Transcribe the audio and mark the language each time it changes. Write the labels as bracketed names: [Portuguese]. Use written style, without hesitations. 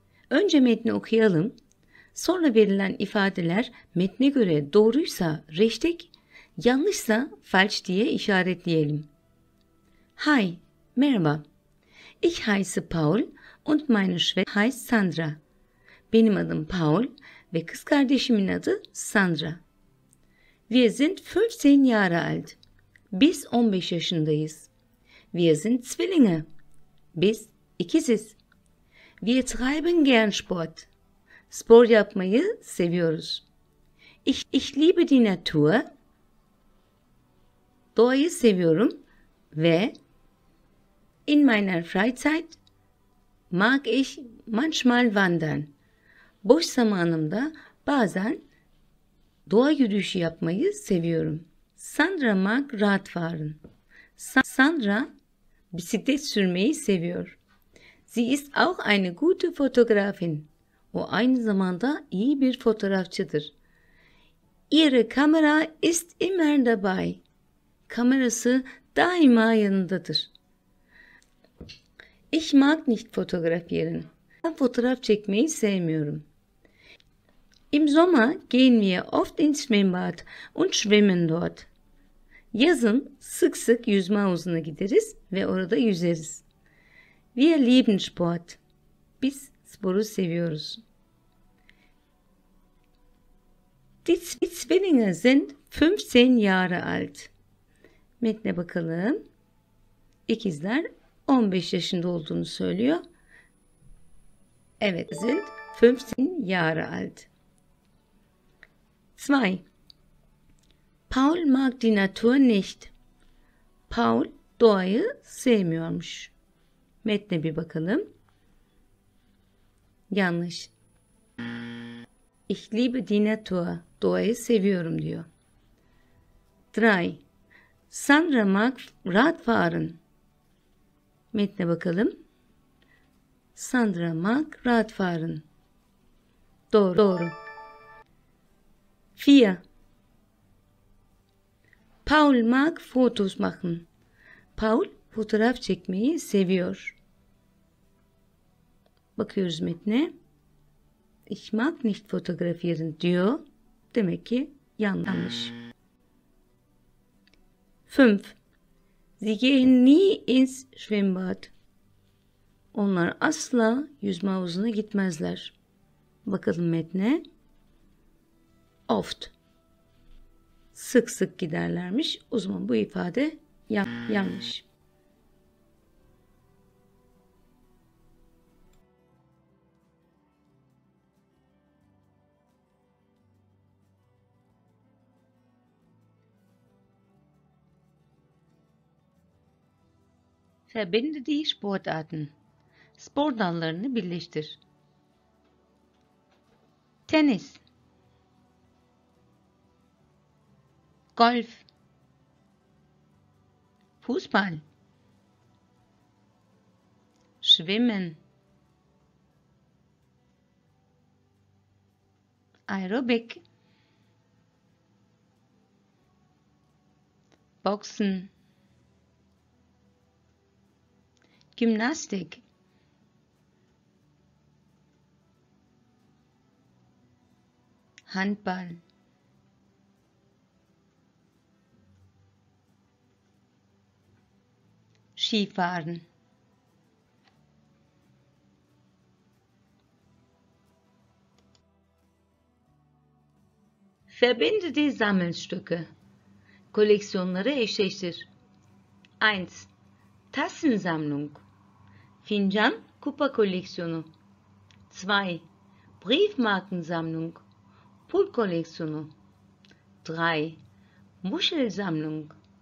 [Turkish] Önce metni okuyalım. Sonra verilen ifadeler metne göre doğruysa richtig, yanlışsa falsch diye işaretleyelim. Hi, merhaba. [German] Ich heiße Paul Und meine Schwester heißt Sandra. [Turkish] Benim adım Paul ve kız kardeşimin adı Sandra. [German] Wir sind 15 Jahre alt. [Turkish] Biz 15 yaşındayız. [German] Wir sind Zwillinge. [Turkish] Biz ikiziz. [German] Wir treiben gern Sport. [Turkish] Spor yapmayı seviyoruz. [German] Ich liebe die Natur. [Turkish] Doğayı seviyorum ve [German] in meiner Freizeit mag ich manchmal wandern. [Turkish] Boş zamanımda bazen doğa yürüyüşü yapmayı seviyorum. [German] Sandra mag Radfahren. [Turkish] Sandra bisiklet sürmeyi seviyor. [German] Sie ist auch eine gute Fotografin. [Turkish] O aynı zamanda iyi bir fotoğrafçıdır. [German] Ihre Kamera ist immer dabei. [Turkish] Kamerası daima yanındadır. [German] Ich mag nicht fotografieren. [Turkish] Ben fotoğraf çekmeyi sevmiyorum. [German] Im Sommer gehen wir oft ins Schwimmbad und schwimmen dort. [Turkish] Yazın sık sık yüzme havuzuna gideriz ve orada yüzeriz. [German] Wir lieben Sport. [Turkish] Biz sporu seviyoruz. [German] Die Zwillinge sind 15 Jahre alt. [Turkish] Metne bakalım. İkizler 15 yaşında olduğunu söylüyor. [German] Evet, sind 15 Jahre alt. 2. Paul mag die Natur nicht. [Turkish] Paul doğayı sevmiyormuş. Metne bir bakalım. [German] Yanlış. Ich liebe die Natur. [Turkish] Doğayı seviyorum diyor. [German] 3. Sandra mag Radfahren. [Turkish] Metne bakalım. [German] Sandra mag Radfahren. Doğru. 4. Paul mag Fotos machen. [Turkish] Paul fotoğraf çekmeyi seviyor. Bakıyoruz metne. [German] Ich mag nicht fotografieren diyor. [Turkish] Demek ki yanlış. 5. [German] Sie gehen nie ins Schwimmbad. [Turkish] Onlar asla yüzme havuzuna gitmezler. Bakalım metne. Oft. Sık sık giderlermiş. O zaman bu ifade yanlış. [German] Verbinde die Sportarten. [Turkish] Spor dallarını birleştir. [German] Tennis. Golf. Fußball. Schwimmen. Aerobic. Boxen. Gymnastik. Handball. Skifahren. Verbinde die Sammelstücke. [Turkish] Koleksiyonları eşleştir. 1. Tassensammlung. Fincan kupa koleksiyonu. 2. Briefmarkensammlung. Pul koleksiyonu. 3. [German] Muschelsammlung.